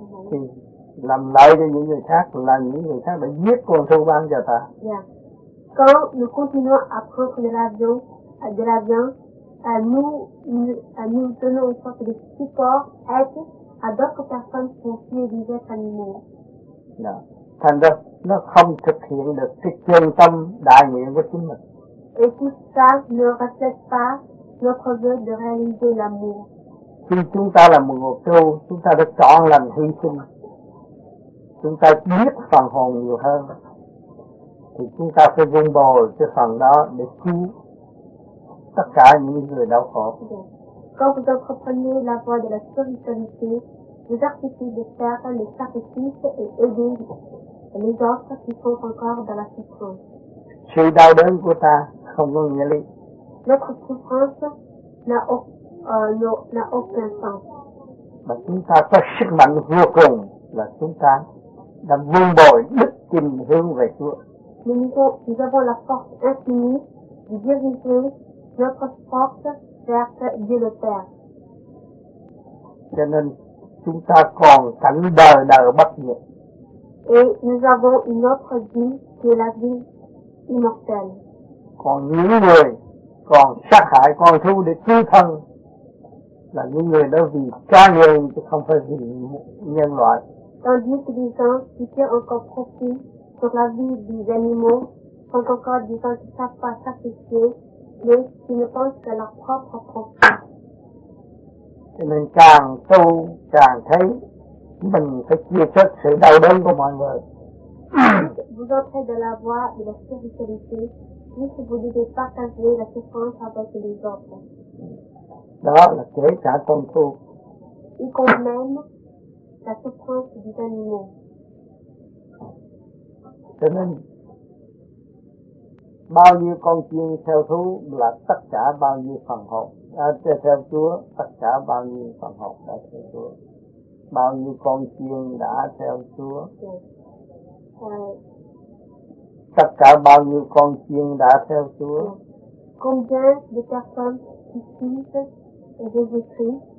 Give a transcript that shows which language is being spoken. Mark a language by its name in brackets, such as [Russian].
[Vietnamese] Thì làm lợi cho những người khác là những người khác đã giết con thú ban cho ta. [French] Quand nous continuons à prendre de la viande, nous donnons une sorte de support, aide à d'autres personnes pour tuer des êtres animaux. [Vietnamese] Thành ra, nó không thực hiện được cái chân tâm đại nguyện của chúng mình. [French] Et tout ça ne reflète pas notre vœu de réaliser l'amour. [Vietnamese] Khi chúng ta là một người tu, chúng ta đã chọn làm hy sinh. Chúng ta biết phần hồn nhiều hơn. Thì chúng ta phải vun bồi cái phần đó để cứu tất cả những người đau khổ. [French] Quand vous entreprenez la voie de la spiritualité, vous acceptez de faire les sacrifices et aider les autres qui sont encore dans la souffrance. [Vietnamese] Sự đau đớn của ta không có nghĩa lý. [French] Notre souffrance n'a aucun sens. [Vietnamese] Mà chúng ta có sức mạnh vô cùng là chúng ta là vương bồi đức tin hướng về Chúa. [French] Nous avons la force infinie de diriger notre force vers Dieu le Père. [Vietnamese] Cho nên chúng ta còn cảnh đời đời bất diệt. [French] Et nous avons une autre vie qui est la vie immortelle. [Vietnamese] Còn những người còn sát hại con thú để cứu thân là những người đó vì cá nhân chứ không phải vì nhân loại. [French] Tandis que les gens qui tirent encore profit sur la vie des animaux sont encore des gens qui ne savent pas sacrifier, mais qui ne pensent qu'à leur propre profit. [Vietnamese] Cho nên càng tu càng thấy mình phải chia sẻ sự đau đớn của mọi người. [French] Vous entrez dans la voie de la spiritualité, mais si vous devez partager la souffrance avec les autres. [Vietnamese] Đó là kể cả con thú. [French] Y compris même la souffrance des animaux. [Vietnamese] Cho nên bao nhiêu con chiên theo thú là tất cả bao nhiêu phần hồn theo Chúa, tất cả bao nhiêu phần hồn đã theo Chúa. Bao nhiêu con chiên đã theo Chúa. Tất cả bao nhiêu con chiên đã theo Chúa. [French] Combien de personnes qui suivent Jésus-Christ?